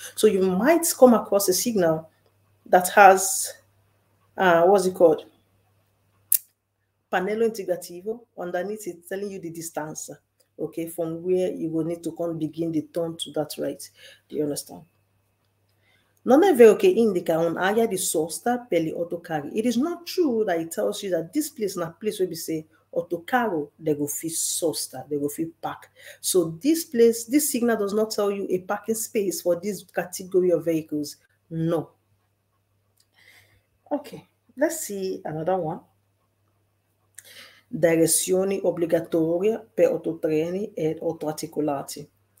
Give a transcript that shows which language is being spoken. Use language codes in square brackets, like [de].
[en] So you might come across a signal that has, what's it called? Pannello Integrativo. Underneath it, telling you the distance, okay, from where you will need to come begin the turn to that right. Do you understand? [it] Non è vero che indica un'area di sosta per gli autocarri. [en] It is not true that it tells you that this place, not place where we say autocarro, they go fit sosta, they go fit park. So this place, this signal does not tell you a parking space for this category of vehicles. No. Okay, let's see another one. Direzioni obbligatorie per autotreni ed autoarticolati.